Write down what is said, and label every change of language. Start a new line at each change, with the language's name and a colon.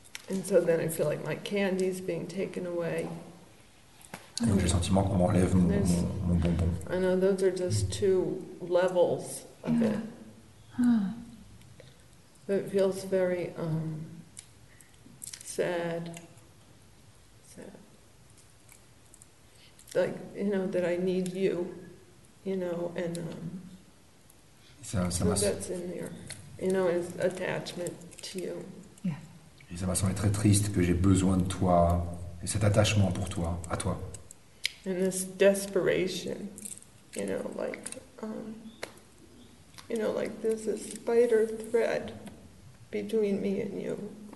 English: And so then I feel like my candy is being taken away.
French: Donc j'ai le sentiment qu'on m'enlève mon bonbon.
English: I know those are just two levels of it. Huh. It feels very sad. Like, you know, that I need you, you know, and that's in there, you know, is attachment to you. Yeah.
French: Et ça m'a semblé très triste que j'ai besoin de toi, et cet attachement pour toi, à toi.
English: And this desperation, you know, like there's a spider thread between me and you.